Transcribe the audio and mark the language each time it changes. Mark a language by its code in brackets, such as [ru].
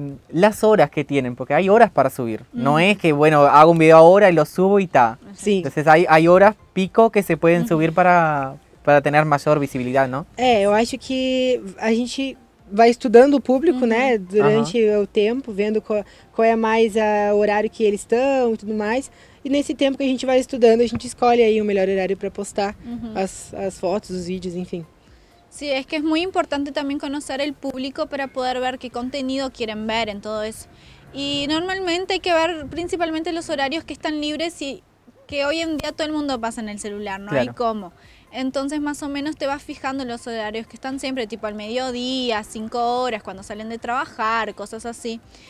[es] Las horas que tienen, porque hay horas para subir. No es que, bueno, hago un video ahora y lo subo y está. Sí. Entonces hay horas pico que se pueden subir para tener mayor visibilidad, ¿no? [pt] Yo acho que a gente va estudiando o público, né, durante o tempo, vendo qual é mais o horário que eles estão e tudo mais. E nesse tempo que a gente vai estudando, a gente escolhe aí o melhor horário para postar as fotos, os vídeos, enfim. [es] Sí, es que es muy importante también conocer el público para poder ver qué contenido quieren ver en todo eso. Y normalmente hay que ver principalmente los horarios que están libres y que hoy en día todo el mundo pasa en el celular, ¿no? Claro. Hay cómo. Entonces más o menos te vas fijando en los horarios que están siempre, tipo al mediodía, 5 horas, cuando salen de trabajar, cosas así.